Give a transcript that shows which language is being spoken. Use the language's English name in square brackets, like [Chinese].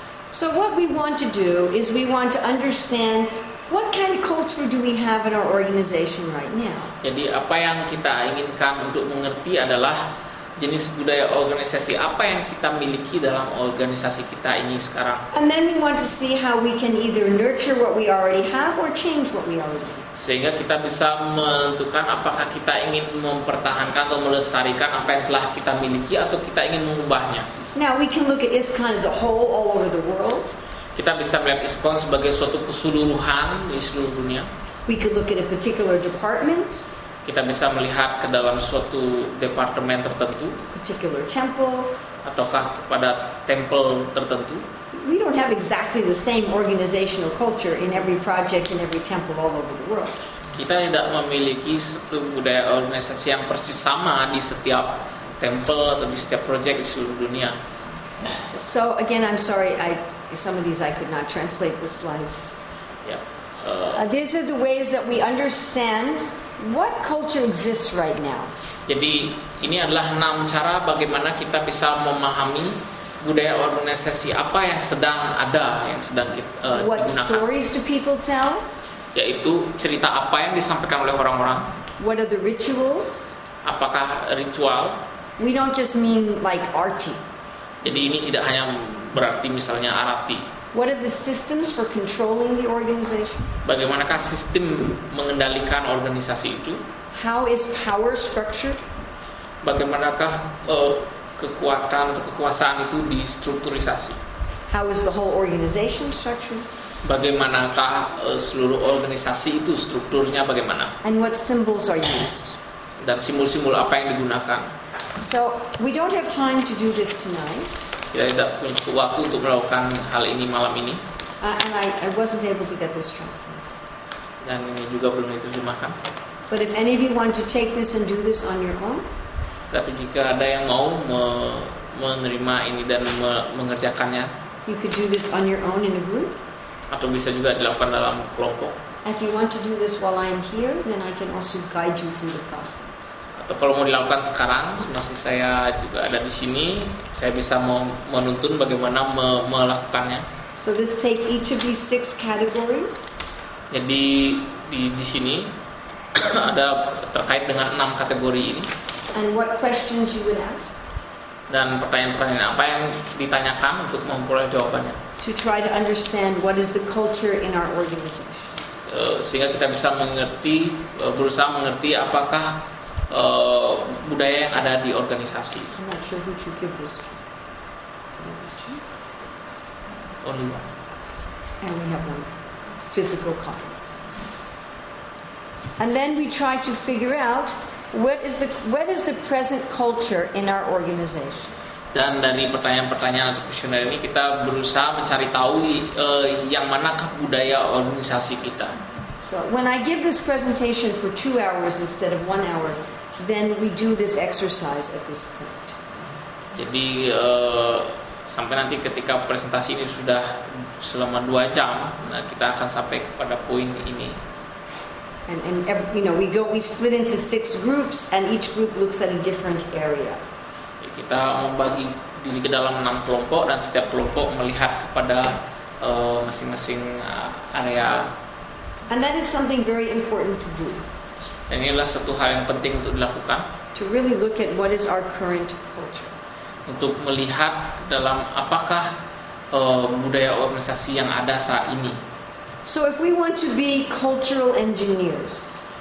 [English] So what we want to do is we want to understand what kind of culture do we have in our organization right now? [Indonesian] Jadi apa yang kita inginkan untuk mengerti adalah jenis budaya organisasi apa yang kita miliki dalam organisasi kita ini sekarang. [English] And then we want to see how we can either nurture what we already have or change what we already have. [Indonesian] Sehingga kita bisa menentukan apakah kita ingin mempertahankan atau melestarikan apa yang telah kita miliki atau kita ingin mengubahnya. [English] Now we can look at ISKCON as a whole all over the world. [Indonesian] Kita bisa melihat ISKCON sebagai suatu keseluruhan di seluruh dunia. [English] We could look at a particular department. [Indonesian] Kita bisa melihat ke dalam suatu departemen tertentu. [English] Particular temple. [Indonesian] Ataukah pada temple tertentu. [English] We don't have exactly the same organizational culture in every project in every temple all over the world. [Indonesian] Kita tidak memiliki satu budaya organisasi yang persis sama di setiap temple atau di setiap project di seluruh dunia. [English] So again, I'm sorry, some of these I could not translate the slides. Yeah. These are the ways that we understand what culture exists right now. [Indonesian] Jadi ini adalah 6 cara bagaimana kita bisa memahami budaya organisasi apa yang sedang ada, yang sedang what digunakan. [English] What stories do people tell? [Indonesian] Yaitu cerita apa yang disampaikan oleh orang-orang. [English] What are the rituals? [Indonesian] Apakah ritual? [English] We don't just mean like arti. [Indonesian] Jadi ini tidak hanya berarti misalnya arti. [English] What are the systems for controlling the organization? [Indonesian] Bagaimanakah sistem mengendalikan organisasi itu? [English] How is power structured? [Indonesian] Bagaimanakah kekuatan atau kekuasaan itu distrukturisasi? [English] How is the whole organization structured? [Indonesian] Bagaimanakah seluruh organisasi itu strukturnya bagaimana? [English] And what symbols are used? [Indonesian] Dan simbol-simbol apa yang digunakan? [English] So we don't have time to do this tonight. [Indonesian] Kita tidak punya waktu untuk melakukan hal ini malam ini. [English] And I wasn't able to get this translated. [Indonesian] Dan ini juga belum diterjemahkan. [English] But if any of you want to take this and do this on your own. [Indonesian] Tapi jika ada yang mau menerima ini dan mengerjakannya, [English] you could do this on your own in a group. [Indonesian] Atau bisa juga dilakukan dalam kelompok. [English] If you want to do this while I am here, then I can also guide you through the process. [Indonesian] Atau kalau mau dilakukan sekarang, masih saya juga ada di sini, saya bisa menuntun bagaimana melakukannya. [English] So this takes each of these 6 categories. [Indonesian] Jadi di sini ada terkait dengan 6 kategori ini. [English] And what questions you would ask? [Indonesian] Dan pertanyaan-pertanyaan apa yang ditanyakan untuk memperoleh jawabannya? [English] To try to understand what is the culture in our organization. [Indonesian] Sehingga kita bisa mengerti, berusaha mengerti apakah budaya yang ada di organisasi. [English] I'm not sure who should give this. Only one. And we have one physical copy. And then we try to figure out. What is the present culture in our organization? [Indonesian] Dan dari pertanyaan-pertanyaan atau kuesioner ini kita berusaha mencari tahu yang manakah budaya organisasi kita. [English] So when I give this presentation for 2 hours instead of 1 hour, then we do this exercise at this point. [Indonesian] Jadi sampai nanti ketika presentasi ini sudah selama 2 jam, nah kita akan sampai kepada poin ini. [English] And you know, we split into 6 groups and each group looks at a different area. [Indonesian] Kita membagi diri ke dalam 6 kelompok dan setiap kelompok melihat kepada masing-masing area. [English] And that is something very important to do. [Indonesian] Dan ini adalah satu hal yang penting untuk dilakukan. [English] To really look at what is our current culture. [Indonesian] Untuk melihat dalam apakah budaya organisasi yang ada saat ini. [English] So if we want to be cultural engineers.